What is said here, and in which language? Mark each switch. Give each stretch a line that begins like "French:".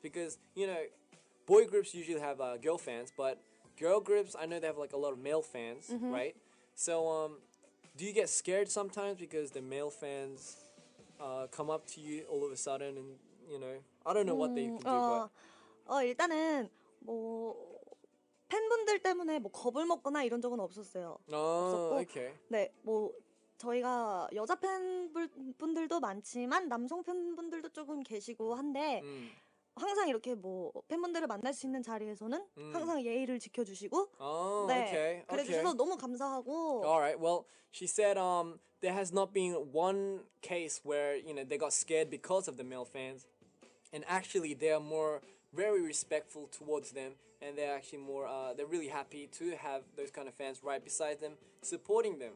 English: Because, you know, boy groups usually have girl fans, but girl groups, I know they have like a lot of male fans, mm-hmm. right? So do you get scared sometimes because the male fans come up to you all of a sudden and, you know, I don't know what they can do, but...
Korean: 일단은 뭐... 팬분들 때문에 뭐 겁을 먹거나 이런 적은 없었어요. 아, oh, 오케이. Okay. 네, 뭐 저희가 여자 팬분들도 많지만 남성 팬분들도 조금 계시고 한데 항상 이렇게 뭐 팬분들을 만날 수 있는 자리에서는 항상 예의를 지켜주시고 oh, 네, okay. 그래주셔서 okay. 너무 감사하고
English: Alright, well, she said there has not been one case where you know they got scared because of the male fans and actually they are more very respectful towards them and they're actually more they're really happy to have those kind of fans right beside them supporting them.